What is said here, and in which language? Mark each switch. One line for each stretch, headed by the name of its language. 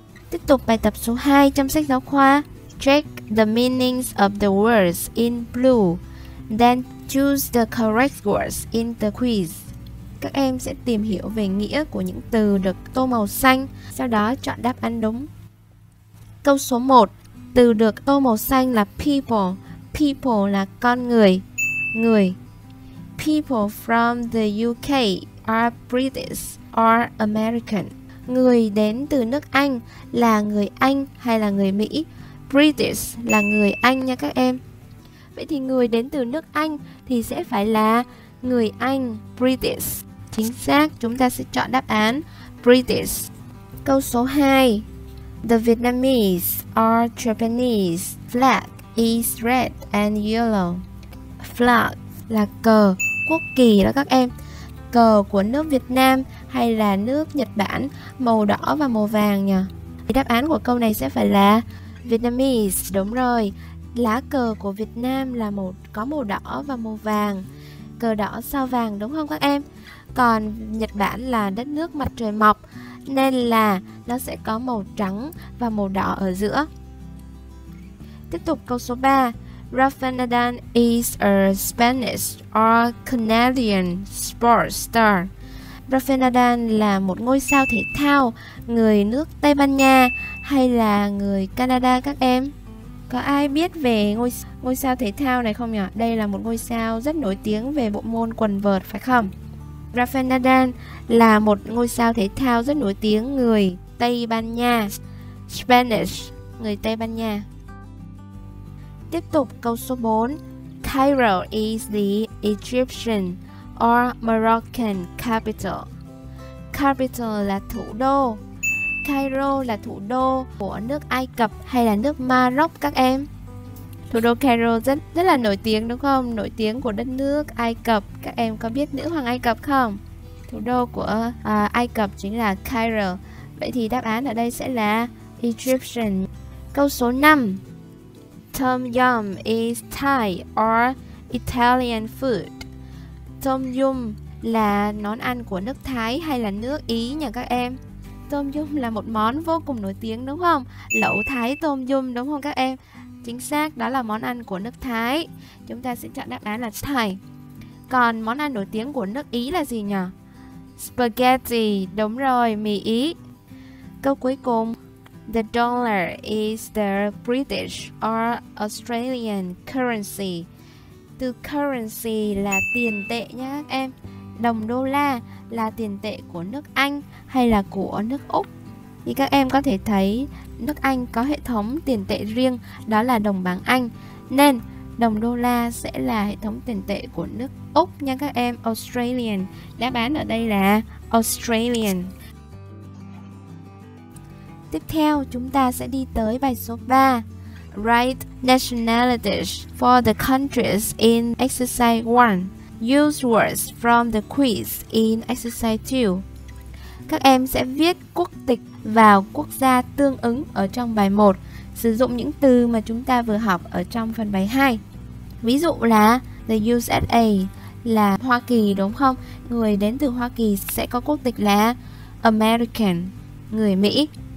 Vietnamese: Tiếp tục bài tập số 2 trong sách giáo khoa.
English: Check the meanings of the words in blue. Then choose the correct words in the quiz.
Vietnamese: Các em sẽ tìm hiểu về nghĩa của những từ được tô màu xanh, sau đó chọn đáp án đúng. Câu số 1. Từ được tô màu xanh là people. People là con người. Người.
English: People from the UK are British or American.
Vietnamese: Người đến từ nước Anh là người Anh hay là người Mỹ? British là người Anh nha các em. Vậy thì người đến từ nước Anh thì sẽ phải là người Anh, British. Chính xác, chúng ta sẽ chọn đáp án British. Câu số 2.
English: The Vietnamese are Japanese. Flag is red and yellow.
Vietnamese: Flag là cờ, quốc kỳ đó các em. Cờ của nước Việt Nam hay là nước Nhật Bản, màu đỏ và màu vàng nhỉ? Thì đáp án của câu này sẽ phải là Vietnamese, đúng rồi. Lá cờ của Việt Nam là có màu đỏ và màu vàng. Cờ đỏ sao vàng đúng không các em? Còn Nhật Bản là đất nước mặt trời mọc nên là nó sẽ có màu trắng và màu đỏ ở giữa. Tiếp tục câu số 3.
English: Rafa Nadal is a Spanish or Canadian sports star.
Vietnamese: Rafa Nadal là một ngôi sao thể thao người nước Tây Ban Nha hay là người Canada các em? Có ai biết về ngôi sao thể thao này không nhỉ? Đây là một ngôi sao rất nổi tiếng về bộ môn quần vợt phải không? Rafa Nadal là một ngôi sao thể thao rất nổi tiếng người Tây Ban Nha. Spanish, người Tây Ban Nha. Tiếp tục câu số 4.
English: Cairo is the Egyptian or Moroccan capital.
Vietnamese: Capital là thủ đô. Cairo là thủ đô của nước Ai Cập hay là nước Maroc các em? Thủ đô Cairo rất là nổi tiếng đúng không? Nổi tiếng của đất nước Ai Cập. Các em có biết nữ hoàng Ai Cập không? Thủ đô của Ai Cập chính là Cairo. Vậy thì đáp án ở đây sẽ là Egyptian. Câu số 5.
English: Tom Yum is Thai or Italian food.
Vietnamese: Tom Yum là món ăn của nước Thái hay là nước Ý nhỉ các em? Tom Yum là một món vô cùng nổi tiếng đúng không? Lẩu Thái Tom Yum đúng không các em? Chính xác, đó là món ăn của nước Thái. Chúng ta sẽ chọn đáp án là Thai. Còn món ăn nổi tiếng của nước Ý là gì nhỉ? Spaghetti, đúng rồi, mì Ý. Câu cuối cùng.
English: The dollar is the British or Australian currency.
Vietnamese: Từ currency là tiền tệ nha các em. Đồng đô la là tiền tệ của nước Anh hay là của nước Úc. Thì các em có thể thấy nước Anh có hệ thống tiền tệ riêng, đó là đồng bảng Anh. Nên đồng đô la sẽ là hệ thống tiền tệ của nước Úc nha các em. Australian. Đáp án ở đây là Australian. Tiếp theo chúng ta sẽ đi tới bài số 3.
English: Write nationalities for the countries in exercise 1. Use words from the quiz in exercise 2.
Vietnamese: Các em sẽ viết quốc tịch vào quốc gia tương ứng ở trong bài 1, sử dụng những từ mà chúng ta vừa học ở trong phần bài 2. Ví dụ là the USA là Hoa Kỳ đúng không? Người đến từ Hoa Kỳ sẽ có quốc tịch là American, người Mỹ.